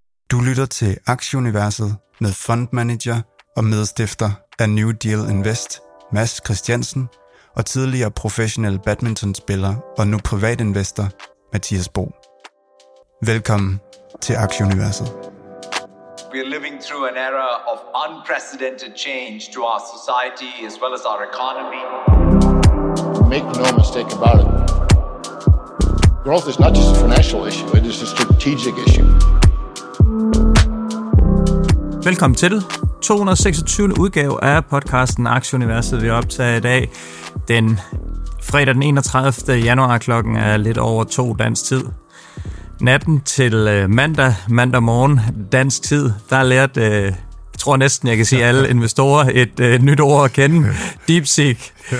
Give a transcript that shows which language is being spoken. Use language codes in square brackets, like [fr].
[da] Du lytter til Aktieuniverset med fundmanager og medstifter af New Deal Invest, Mads Christiansen, og tidligere professionel badmintonspiller og nu privatinvestor, Mathias Bo. Velkommen til Aktieuniverset. [en] We are living through an era of unprecedented change to our society as well as our economy. Make no mistake about it. Growth is not just a financial issue, it is a strategic issue. [da] Velkommen til 226. udgave af podcasten Aktieuniverset, vi optager i dag. Den fredag den 31. januar, klokken er lidt over 2 dansk tid. Natten til mandag morgen dansk tid, der har lært, tror næsten jeg kan sige, alle investorer et nyt ord at kende, DeepSeek.